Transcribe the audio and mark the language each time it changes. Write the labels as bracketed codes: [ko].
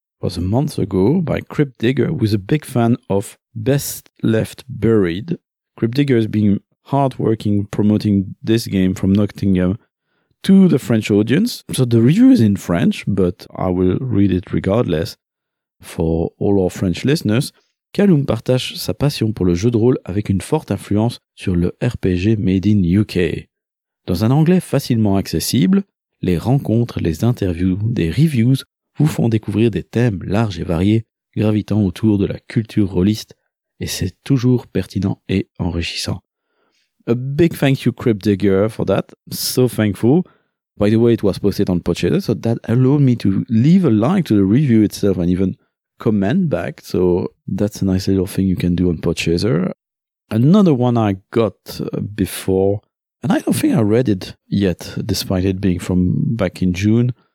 [en] Was a month ago by Crypt Digger, who's a big fan of Best Left Buried. Crypt Digger has been hard working promoting this game from Nottingham to the French audience. So the review is in French, but I will read it regardless for all our French listeners. [fr] Calum partage sa passion pour le jeu de rôle avec une forte influence sur le RPG made in UK. Dans un anglais facilement accessible, les rencontres, les interviews, des reviews vous font découvrir des thèmes larges et variés gravitant autour de la culture rôliste, et c'est toujours pertinent et enrichissant. [en] A big thank you, Crypt Digger, for that. So thankful. By the way, it was posted on Podchaser, so that allowed me to leave a like to the review itself and even comment back. So that's a nice little thing you can do on Podchaser. Another one I got before, and I don't think I read it yet, despite it being from back in June.